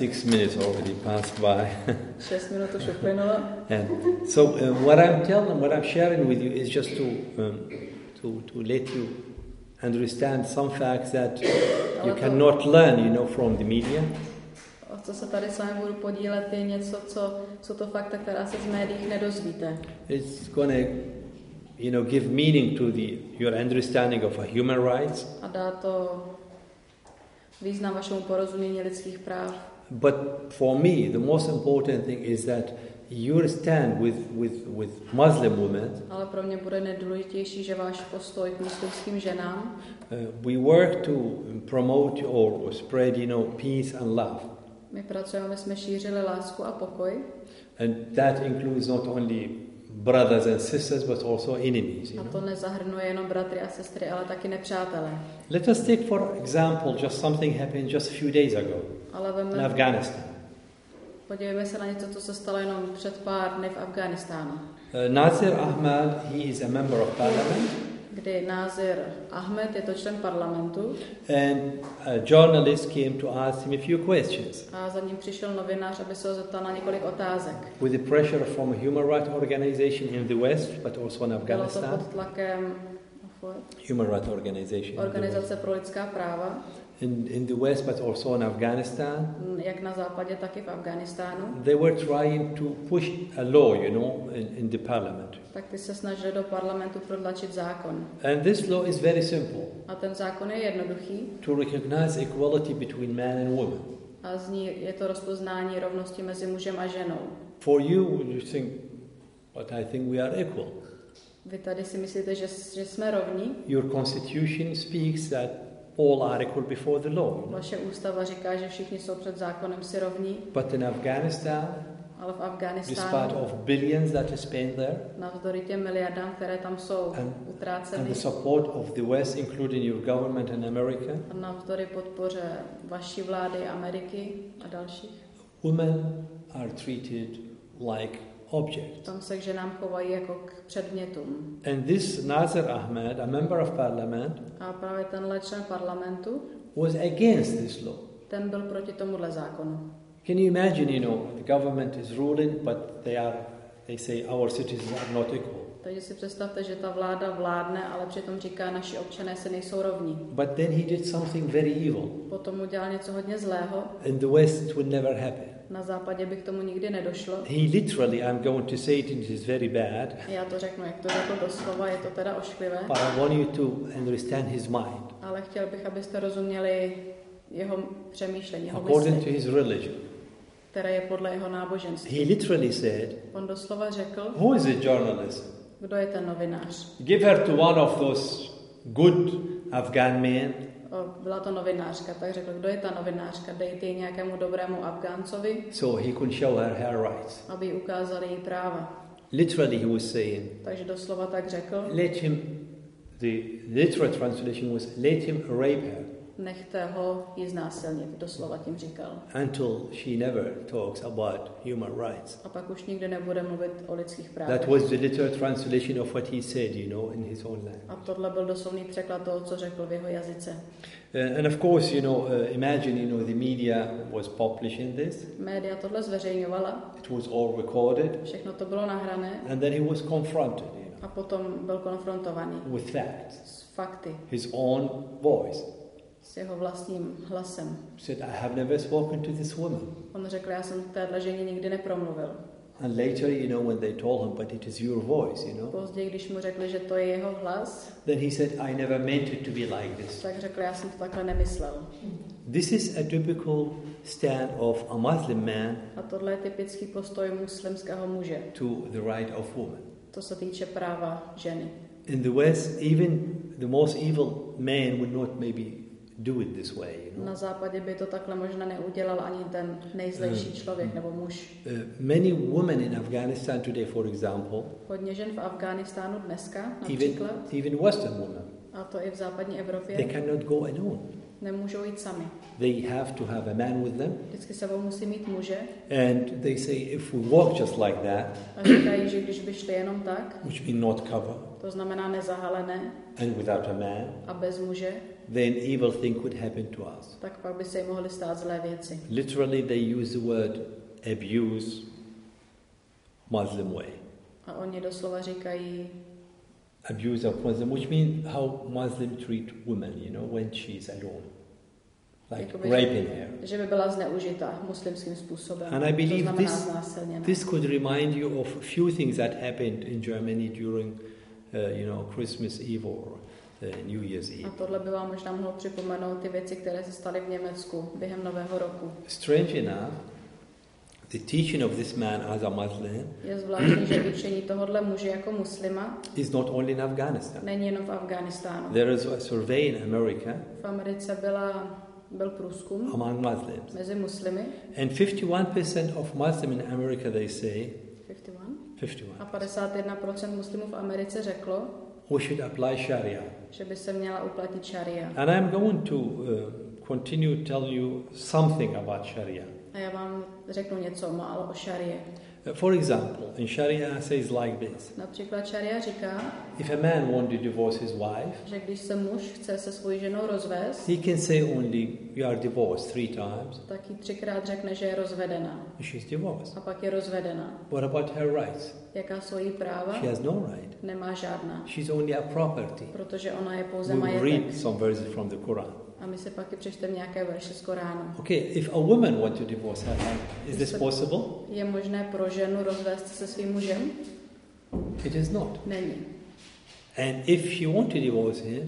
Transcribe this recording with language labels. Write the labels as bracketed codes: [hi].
[en] 6 minutes already passed by. [cs] 6 minutes už uplynulo. [en] And so what I'm sharing with you is just to let you. Understand some facts that you cannot learn, you know, from the media. [cs] A co se tady s vámi budu podílet, je něco, co jsou to fakta, která se z médií nedozvíte. [en] It's gonna, you know, give meaning to your understanding of human rights. [cs] A dá to význam vašemu porozumění lidských práv. [en] But for me, the most important thing is that your stand with Muslim women. [cs] Ale pro mě bude nejdůležitější, že váš postoj k muslimským ženám. [en] We work to promote or spread, you know, peace and love. [cs] My pracujeme, aby jsme šířili lásku a pokoj. [en] And that includes not only brothers and sisters, but also enemies. [cs] A to nezahrnuje jenom bratry a sestry, ale taky nepřátelé. [en] Let us take for example just something happened just a few days ago in Afghanistan. [cs] Podívejme se na něco, co se stalo jenom před pár dny v Afghánistánu. [en] Nazir Ahmed, he is a member of parliament. [cs] Kdy Nazir Ahmed je to člen parlamentu. [en] And a journalist came to ask him a few questions. [cs] A za ním přišel novinář, aby se ho zeptal na několik otázek. [en] With the pressure from a human rights organization in the West, but also in Afghanistan. [cs] Bylo to pod tlakem [en] human rights organization. [cs] Organizace pro lidská práva. [en] In the West, but also in Afghanistan. [cs] Jak na západě, tak i v Afghánistánu. [en] They were trying to push a law, you know, in the parliament. [cs] Tak ty se snažili do parlamentu protlačit zákon. [en] And this law is very simple. [cs] A ten zákon je jednoduchý. [en] To recognize equality between man and woman. [cs] A z ní je to rozpoznání rovnosti mezi mužem a ženou. [en] For you, you think, but I think we are equal. [cs] Vy tady si myslíte, že jsme rovní? [en] Your constitution speaks that all are equal before the law. [cs] Vaše ústava říká, že všichni jsou před zákonem si rovní. [en] But in Afghanistan, [cs] ale v Afghánistánu, [en] despite of billions that is spent there, [cs] navzdory těm miliardám, které tam jsou utráceny, [en] and the support of the West, including your government and America, [cs] a navzdory podpoře vaší vlády, Ameriky a dalších, [en] women are treated like object. [cs] Tam se k ženám chovají jako k předmětům. [en] And this Nazir Ahmed, a member of parliament, [cs] a právě tenhle člen parlamentu, [en] was against this law. [cs] Ten byl proti tomuhle zákonu. [en] Can you imagine, you know, the government is ruling, but they say our citizens are not equal. [cs] Takže si představte, že ta vláda vládne, ale přitom říká, naši občané se nejsou rovní. [en] But then he did something very evil. [cs] Potom udělal něco hodně zlého. [en] In the West it would never happen. [cs] Na západě by k tomu nikdy nedošlo. [en] He literally, I'm going to say it, and it is very bad. [cs] Já to řeknu, jak to řekl doslova, je to teda ošklivé. [en] But I want you to understand his mind. [cs] Ale chtěl bych, abyste rozuměli jeho přemýšlení, jeho [en] according [cs] mysli, [en] to his religion, [cs] které je podle jeho náboženství. [en] He literally said, [cs] on doslova řekl, [en] who is a journalist? [cs] Kdo je ten novinář? [en] Give her to one of those good Afghan men. [cs] Byla to novinářka, tak řekl, kdo je ta novinářka, dejte ji nějakému dobrému Afgáncovi, [en] so he could show her rights. [cs] Aby jí ukázali její práva. [en] Literally he was saying, [cs] takže doslova tak řekl, [en] let him, the literal translation was, let him rape her. [cs] Nechte ho ji znásilnit, doslova tím říkal. [en] Until she never talks about human rights. [cs] A pak už nikdy nebude mluvit o lidských právech. [en] That was the literal translation of what he said, you know, in his own language. [cs] A tohle byl doslovný překlad toho, co řekl v jeho jazyce. [en] And of course, you know, imagine, you know, the media was publishing this. [cs] Média tohle zveřejňovala. [en] It was all recorded. [cs] Všechno to bylo nahrané. [en] And then he was confronted, you know. [cs] A potom byl konfrontovaný. [en] With facts. [cs] S fakty. [en] His own voice. [cs] S jeho vlastním hlasem. [en] Said, I have never spoken to this woman. [cs] On řekl, já jsem téhle ženě nikdy nepromluvil. [en] And later, you know, when they told him, but it is your voice, you know. [cs] Později, když mu řekli, že to je jeho hlas. [en] Then he said, I never meant it to be like this. [cs] Tak řekl, já jsem to takhle nemyslel. [en] This is a typical stand of a Muslim man. [cs] A tohle je typický postoj muslimského muže. [en] To the right of woman. [cs] To se týče práva ženy. [en] In the West, even the most evil man would not maybe do it this way, you know. [cs] Na západě by to takhle možná neudělal ani ten nejzlejší člověk nebo muž. [en] Many women in Afghanistan today, for example. [cs] Hodně žen v Afghánistánu dneska, například. [en] Even Western women. [cs] A to i v západní Evropě. [en] They cannot go alone. [cs] Nemůžou jít sami. [en] They have to have a man with them. [cs] Vždycky sebou musí mít muže. [en] And they say, if we walk just like that. [cs] A říkají, že když by šli jenom tak. [en] Which mean not cover. [cs] To znamená nezahalené. [en] And without a man. [cs] A bez muže. [en] Then evil thing could happen to us. [cs] Tak pak by se jim mohly stát zlé věci. [en] Literally they use the word abuse Muslim way. [cs] A oni doslova říkají [en] abuse of Muslim, which means how Muslim treat women, you know, when she is alone. Like [cs] jakoby, [en] raping her. [cs] Že by byla zneužita muslimským způsobem. [en] And I believe [cs] to znamená znásilněna. [en] This could remind you of a few things that happened in Germany during you know, Christmas Eve or New Year's Eve. [cs] A tohle by vám možná mohlo připomenout ty věci, které se staly v Německu během Nového roku. [en] Strange enough, the teaching of this man as a Muslim [cs] je zvláštní, že učení tohohle muže jako muslima [en] is not only in Afghanistan. [cs] Není jenom v Afghánistánu. [en] There is a survey in America. [cs] V Americe byla byl průzkum [en] among Muslims. [cs] Mezi muslimy. [en] And 51% of Muslims in America they say [cs] 51. A 51% muslimů v Americe řeklo, [en] we should apply Sharia. [cs] Že by se měla uplatit Sharia. [en] And I'm going to continue tell you something about Sharia. [cs] A já vám řeknu něco málo o Sharia. [en] For example, in Sharia says like this. [cs] Například Sharia říká, [en] if a man wants to divorce his wife, [cs] že když se muž chce se svou ženou rozvést, [en] he can say only you are divorced three times. [cs] Tak jí třikrát řekne, že je rozvedena. [en] She's divorced. [cs] A pak je rozvedena. [en] What about her rights? [cs] Jaká jsou její práva? [en] She has no right. [cs] Nemá žádná. [en] She's only a property. [cs] Protože ona je pouze majetek. [en] We read some verses from the Quran. [cs] A my se pak i přečteme nějaké verše z Koránu. [en] Okay, if a woman wants to divorce her husband, is this possible? [cs] Je možné pro ženu rozvést se svým mužem? [en] It is not. [cs] Není. [en] And if she wants to divorce him,